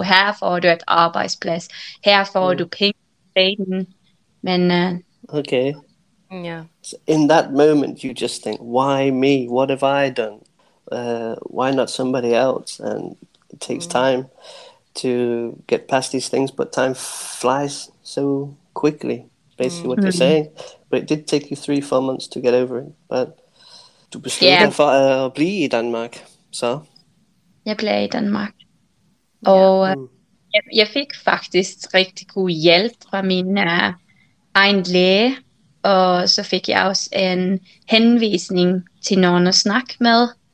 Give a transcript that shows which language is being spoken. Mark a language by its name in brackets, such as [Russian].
[Danish] Her får du et arbejdsplads. Her får du penge tilbage. Men okay. Yeah. [English] So in that moment, you just think, why me? What have I done? Why not somebody else? And it takes time to get past these things, but time flies so quickly, basically what you're saying. But it did take you 3-4 months to get over it. [Danish] But du besluttede for at blive i Danmark, så? Jeg blev i Danmark. Og jeg fik faktisk rigtig god hjælp fra min egen læge, og så fik jeg også en henvisning til nogen at snakke med.